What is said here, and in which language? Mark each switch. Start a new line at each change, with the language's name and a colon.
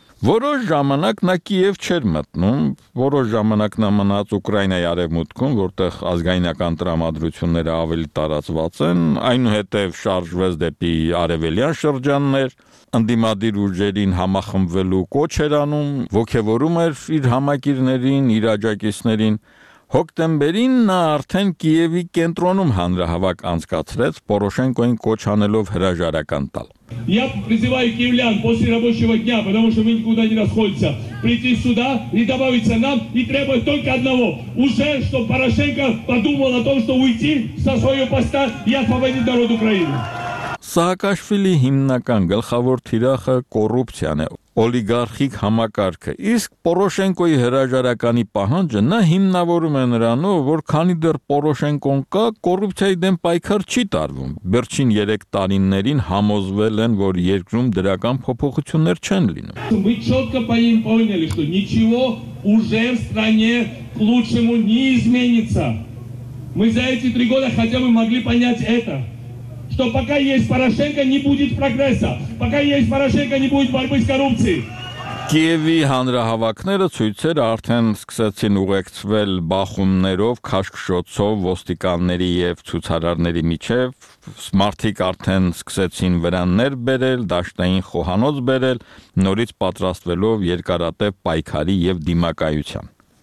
Armenian: Որոշ ժամանակ նա Կիև չէր մտնում, որոշ ժամանակ նա մնաց Ուկրաինայի արևմուտքում, որտեղ ազգայնական տրամադրությունները ավելի տարածված են, այնուհետև շարժվեց դեպի արևելյան շրջաններ, ընդդիմադիր ուժերին համախմբվելու կոչ էր անում, ոգևորում էր իր համակիրներին, իր աջակիցներին։ Հոկտեմբերին նա արդեն Կիևի կենտրոնում հանրահավաք անցկացրեց, Պորոշենկոին կոչ անելով հրաժարական տալ։
Russian: Я призываю киевлян после рабочего дня, потому что мы никуда не расходимся, прийти сюда и добавиться нам и требовать только одного. Уже, чтобы Порошенко подумал о том, что уйти со своего поста и освободить народ Украины.
Armenian: Սահակաշվիլի հիմնական գլխավոր թիրախը կոռուպցիան է, օլիգարխիկ համակարգը, իսկ Պորոշենկոյի հրաժարականի պահանջը նա հիմնավորում է նրանով, որ քանի դեռ Պորոշենկոն կա, կոռուպցիայի դեմ պայքար չի տարվում, վերջին 3 տարիներին համոզվել են, որ երկրում դրական փոփոխություններ չեն լինում։
Russian: Мы чётко поняли, что ничего уже в стране к лучшему не изменится. Мы за эти 3 года хотя бы могли понять это. Что пока есть Порошенко, не будет прогресса. Пока есть Порошенко, не будет борьбы с коррупцией.
Armenian: Կիևի հանրահավաքները ցույցեր արդեն սկսեցին ուղեկցվել բախումներով, քաշքշոցով, ոստիկանների և ցուցարարների միջև, մարդիկ արդեն սկսեցին վրաններ բերել, դաշտային խոհանոց բերել, նորից պատրաստվելով երկարատև պայքարի և դիմակայության։